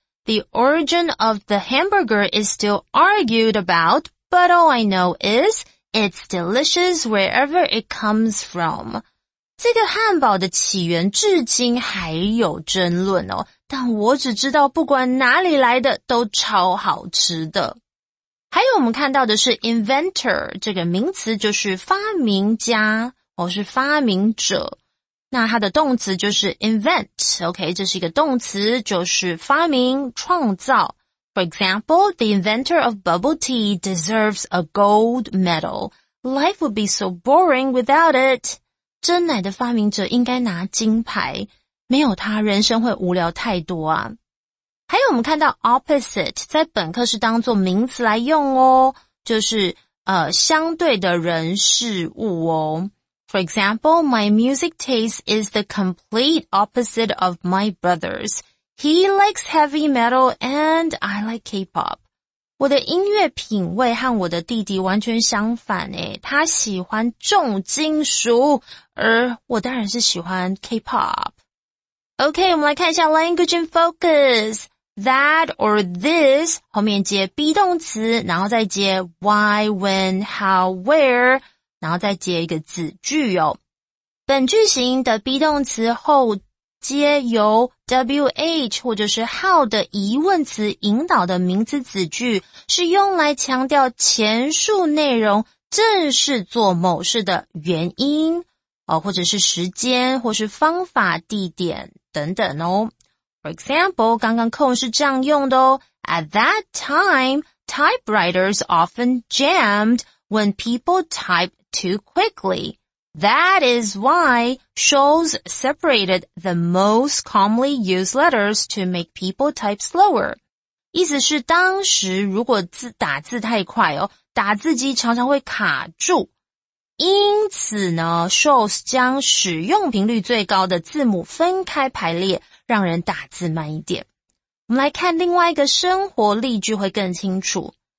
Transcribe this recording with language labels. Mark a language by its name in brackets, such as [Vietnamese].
[English] The origin of the hamburger is still argued about, but all I know is... It's delicious wherever it comes from. [Chinese] 这个汉堡的起源至今还有争论哦，但我只知道不管哪里来的都超好吃的。还有我们看到的是 inventor, 这个名词就是发明家，或是发明者。那它的动词就是 invent, OK, 这是一个动词，就是发明、创造。 [English] For example, the inventor of bubble tea deserves a gold medal. Life would be so boring without it. [Chinese] 真奶的发明者应该拿金牌，没有他人生会无聊太多啊。还有我们看到 opposite, 在本课是当作名词来用哦，就是相对的人事物哦。 [English] For example, my music taste is the complete opposite of my brother's. He likes heavy metal and I like K-pop. [Chinese] 我的音乐品味和我的弟弟完全相反耶，他喜欢重金属，而我当然是喜欢 K-pop. OK, 我们来看一下 language and focus. That or this, 后面接 be 动词，然后再接 why, when, how, where, 然后再接一个子句哦。本句型的 be 动词后接由 WH 或者是 how 的疑问词引导的名词子句是用来强调前述内容正是做某事的原因、或者是时间或是方法地点等等哦。 [English] For example, [Chinese] 刚刚 Cone 是这样用的哦。 [English] At that time, typewriters often jammed when people type too quickly. That is why Scholes separated the most commonly used letters to make people type slower. [Chinese] 意思是当时如果打字太快哦，打字机常常会卡住。因此呢 ,Scholes 将使用频率最高的字母分开排列让人打字慢一点。我们来看另外一个生活例句会更清楚。